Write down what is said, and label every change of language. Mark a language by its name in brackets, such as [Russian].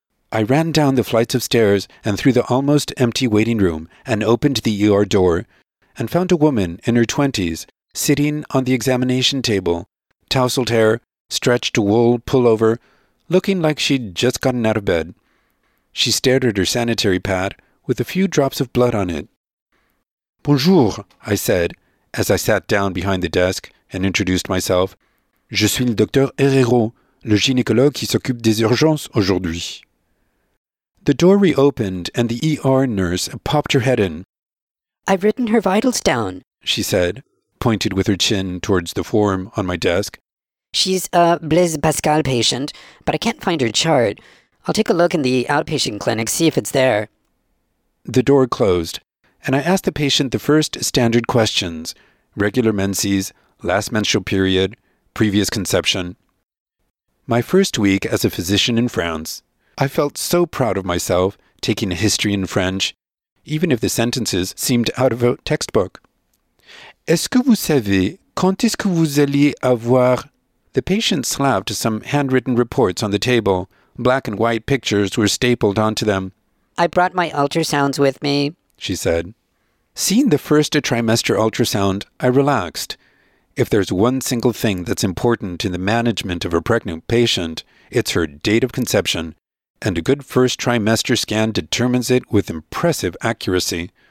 [English] I ran down the flights of stairs and through the almost empty waiting room and opened the ER door and found a woman in her 20s sitting on the examination table, tousled hair, stretched wool pullover, looking like she'd just gotten out of bed. She stared at her sanitary pad with a few drops of blood on it. [French] Bonjour, [English] I said, as I sat down behind the desk and introduced myself. [French] Je suis le docteur Herrero, le gynécologue qui s'occupe des urgences aujourd'hui. [English] The door reopened and the ER nurse popped her head in. I've written her vitals down, she said, pointed with her chin towards the form on my desk. She's a Blaise Pascal patient, but I can't find her chart. I'll take a look in the outpatient clinic, see if it's there. The door closed, and I asked the patient the first standard questions. Regular menses, last menstrual period, previous conception. My first week as a physician in France. I felt so proud of myself, taking a history in French, even if the sentences seemed out of a textbook. [French] Est-ce que vous savez quand est-ce que vous alliez avoir... [English] The patient slapped some handwritten reports on the table. Black and white pictures were stapled onto them. I brought my ultrasounds with me, she said. Seeing the first trimester ultrasound, I relaxed. If there's one single thing that's important in the management of a pregnant patient, it's her date of conception, and a good first trimester scan determines it with impressive accuracy.